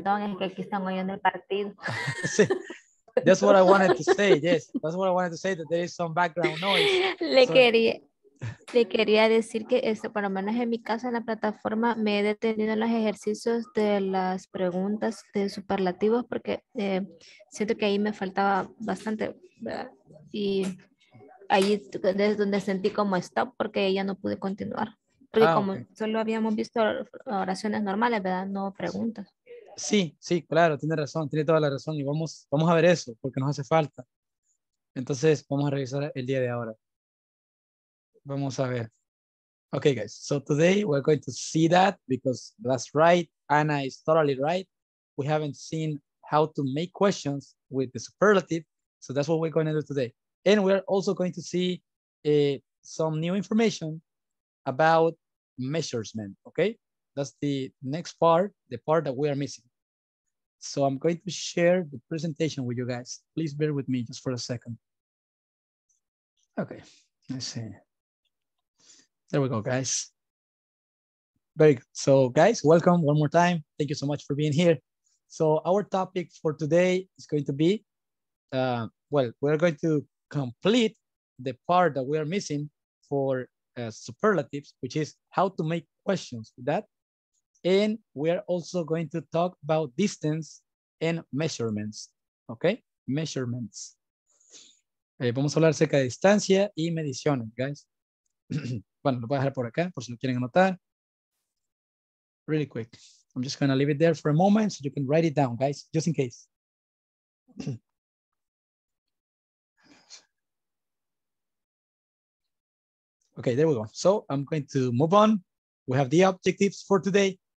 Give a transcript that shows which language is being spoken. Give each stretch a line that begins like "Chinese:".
Spanish: Perdón, es que aquí están oyendo el partido.
English: That's what I wanted to say. Yes, that's what I wanted to say, that there is some background noise.
Spanish: Le quería decir que eso, por lo menos en mi caso en la plataforma, me he detenido en los ejercicios de las preguntas de superlativos porque siento que ahí me faltaba bastante, ¿verdad? Y ahí es donde sentí como stop porque ya no pude continuar. Porque okay. Solo habíamos visto oraciones normales, ¿verdad? No preguntas. Sí, claro, tiene razón, tiene toda la razón. Y vamos a ver eso, porque nos hace falta. Entonces, vamos a revisar el día de ahora. Vamos a ver.
English: Okay, guys, so today we're going to see that because that's right, Ana is totally right. We haven't seen how to make questions with the superlative. So that's what we're going to do today. And we're also going to see some new information about measurement, okay? That's the next part, the part that we are missing. So I'm going to share the presentation with you guys. Please bear with me just for a second. Okay, let's see. There we go, guys. Very good. So guys, welcome one more time. Thank you so much for being here. So our topic for today is going to be, we're going to complete the part that we are missing for superlatives, which is how to make questions with that. And we're also going to talk about distance and measurements, okay? Measurements.
Spanish: Vamos a hablar acerca de distancia y mediciones, guys. Bueno, lo voy a dejar por acá, por si lo quieren anotar.
English: Really quick. I'm just going to leave it there for a moment so you can write it down, guys, just in case. Okay, there we go. So I'm going to move on. We have the objectives for today.